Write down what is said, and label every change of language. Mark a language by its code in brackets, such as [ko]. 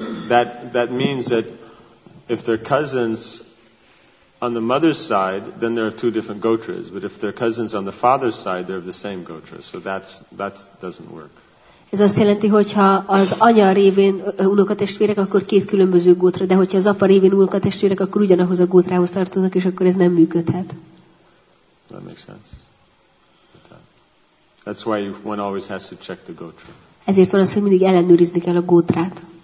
[en] Means that if they're cousins on the mother's side, then there are two different gotras, but if they're cousins on the father's side, they're of the same gotra. So that doesn't work. [hu] Ez azt jelenti, hogyha az anya révén unokatestvérek, akkor két különböző gótra, de hogyha az apa révén unokatestvérek, akkor ugyanahoz a gótrához tartoznak, és akkor ez nem működhet. [en] That makes sense. That's why one always has to check the gotra. [hu] Ezért van az, hogy mindig ellenőrizni kell a gótrát.